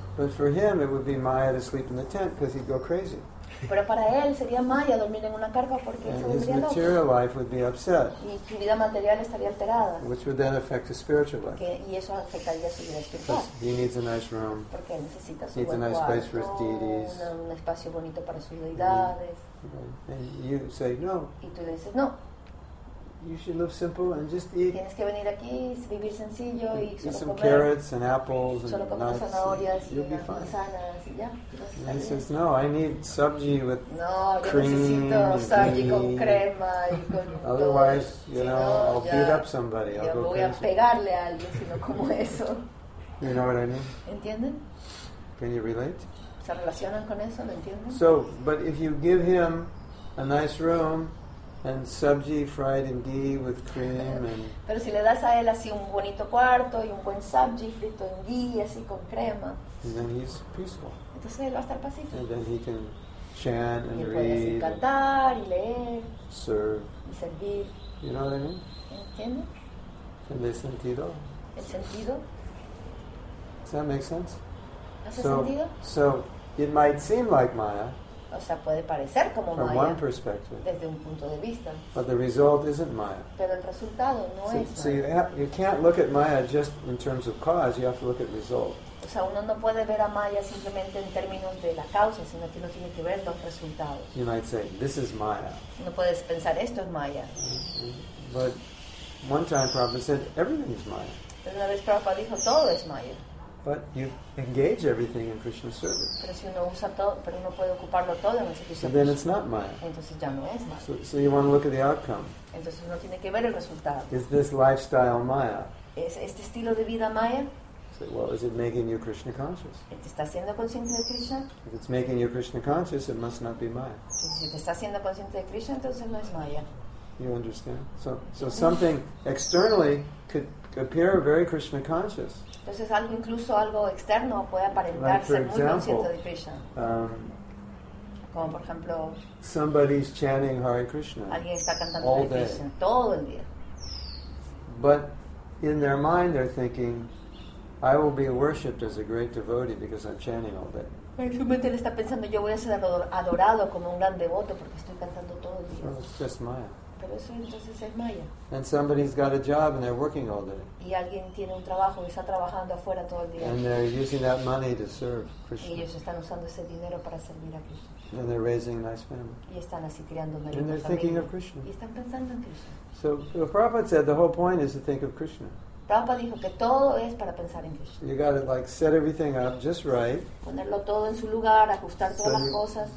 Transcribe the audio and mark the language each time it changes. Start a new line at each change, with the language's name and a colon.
English: But for him, it would be Maya to sleep in the tent because he'd go crazy.
Spanish: Pero para él sería Maya dormir en una carpa porque
English: and
Spanish: se volvería loco.
English: His material life would be upset.
Spanish: Y su vida material estaría alterada.
English: Which would then affect his spiritual life.
Spanish: Y eso afectaría su vida espiritual.
English: He needs a nice room.
Spanish: Porque necesita su
English: needs
Spanish: buen
English: a nice
Spanish: cuarto,
English: place for his deities.
Spanish: Un espacio bonito para sus deidades.
English: And you say no.
Spanish: Y tú le dices no.
English: you should live simple and just eat.
Spanish: Tienes que venir aquí, vivir sencillo y solo
English: eat some
Spanish: comer
English: carrots and apples and
Spanish: solo comer
English: nuts
Spanish: zanahorias
English: and you'll be fine.
Spanish: Manzanas,
English: and he says, no, I need sabji with
Spanish: no,
English: cream
Spanish: necesito
English: and
Spanish: sabji con crema y con
English: otherwise,
Spanish: todo.
English: You know,
Spanish: si no,
English: I'll beat up somebody. I'll go
Spanish: voy
English: crazy.
Spanish: A pegarle a alguien si no como eso.
English: You know what I mean?
Spanish: ¿Entienden?
English: Can you relate?
Spanish: ¿Se relacionan con eso? ¿Lo entienden?
English: So, but if you give him a nice room and sabji fried in ghee with cream and
Spanish: pero si le das a él así un bonito cuarto y un buen sabji frito en ghee así con crema,
English: and then he's peaceful.
Spanish: Entonces él va a estar pacífico.
English: And then he can chant and read.
Spanish: Y puede cantar y leer.
English: Serve.
Spanish: Y servir.
English: You know what I mean?
Spanish: ¿Entiende? ¿El sentido? ¿El sentido?
English: Does that make sense?
Spanish: ¿Hace
English: so,
Spanish: sentido?
English: So it might seem like Maya.
Spanish: O sea, puede parecer como
English: from
Spanish: Maya
English: one perspective,
Spanish: desde un punto de vista.
English: But the result isn't Maya.
Spanish: Pero el resultado no
English: so,
Spanish: es Maya.
English: So you can't look at Maya just in terms of cause. You have to look at result.
Spanish: O sea, uno no puede ver a Maya simplemente en términos de la causa, sino que uno tiene que ver los resultados.
English: You might say, this is Maya.
Spanish: No puedes pensar esto es Maya.
English: But one time Prabhupada said, everything is Maya.
Spanish: Pero una vez Prabhupada dijo, todo es Maya.
English: But you engage everything in Krishna service.
Spanish: Pero si uno usa todo, pero uno puede ocuparlo todo en el servicio.
English: So then it's not Maya.
Spanish: Entonces ya no es Maya.
English: So you want to look at the outcome.
Spanish: Entonces uno tiene que ver el resultado.
English: Is this lifestyle Maya?
Spanish: ¿Es este estilo de vida Maya?
English: So, well, is it making you Krishna conscious?
Spanish: ¿Te está haciendo consciente de Krishna?
English: If it's making you Krishna conscious, it must not be Maya.
Spanish: Si te está haciendo consciente de Krishna, entonces no es Maya.
English: You understand? So something externally could appear very Krishna conscious.
Spanish: Entonces algo, incluso algo externo, puede aparentarse
English: like
Spanish: muy consciente de Krishna. Como por ejemplo,
English: somebody's chanting Hare Krishna.
Spanish: Alguien está cantando Hare Krishna todo el día.
English: But in their mind they're thinking, I will be worshipped as a great devotee because I'm chanting all day.
Spanish: En su mente él está pensando, yo voy a ser adorado como un gran devoto porque estoy cantando todo el día.
English: So it's just Maya.
Spanish: Pero eso entonces es Maya.
English: And somebody's got a job and they're working all day.
Spanish: Y alguien tiene un trabajo y está trabajando afuera todo el día.
English: And they're using that money to serve Krishna.
Spanish: Y ellos están usando ese dinero para servir a Krishna.
English: And they're raising a nice family.
Spanish: Y están así creando una linda
English: and they're
Spanish: familia.
English: Thinking of Krishna.
Spanish: Y están pensando en Krishna.
English: So the Prabhupada said the whole point is to think of Krishna.
Spanish: Prabhupada dijo que todo es para pensar en Krishna.
English: You gotta like set everything up just right.
Spanish: Ponerlo todo en su lugar, ajustar todas las cosas.